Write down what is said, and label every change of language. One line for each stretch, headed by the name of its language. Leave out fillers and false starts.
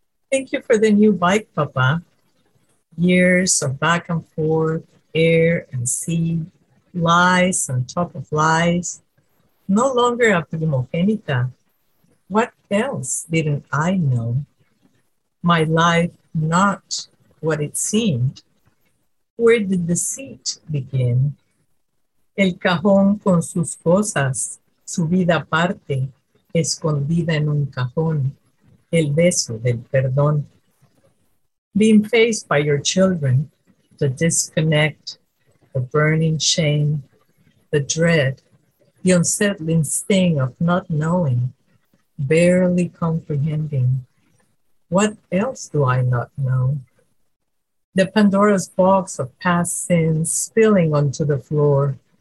English: Thank you for the new bike, Papa. Years of back and forth, air and sea, lies on top of lies. No longer a primogenita. What else didn't I know? My life not what it seemed. Where did the seat begin?
Spanish: El cajón con sus cosas. Su vida aparte, escondida en un cajón, el beso del perdón.
English: Being faced by your children, the disconnect, the burning shame, the dread, the unsettling sting of not knowing, barely comprehending. What else do I not know? The Pandora's box of past sins spilling onto the floor.